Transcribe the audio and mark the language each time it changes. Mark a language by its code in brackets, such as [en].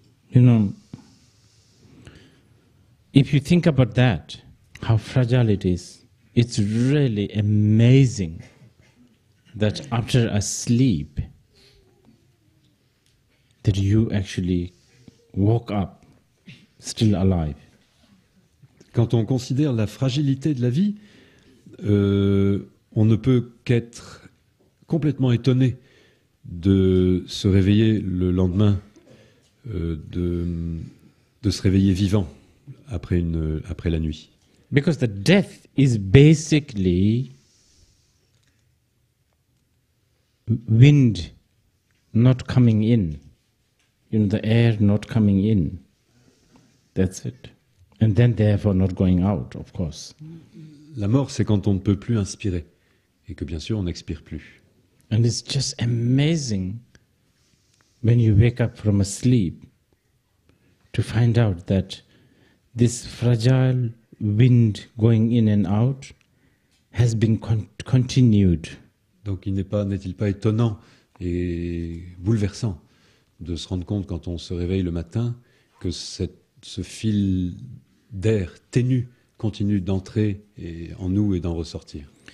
[en] You know, if you think about that, how fragile it is, it's really amazing that after a sleep, that you actually woke up still alive. [fr] Quand on considère la fragilité de la vie, on ne peut qu'être complètement étonné de se réveiller le lendemain, de se réveiller vivant après la nuit. [en] Because the death is basically wind not coming in, you know, the air not coming in. That's it. And then therefore not going out, of course. [fr] La mort, c'est quand on ne peut plus inspirer et que, bien sûr, on n'expire plus. [en] And it's just amazing when you wake up from a sleep to find out that this fragile wind going in and out has been continued. [fr] Donc, n'est-il pas étonnant et bouleversant de se rendre compte quand on se réveille le matin que ce fil d'air ténu continue d'entrer et en nous et d'en ressortir.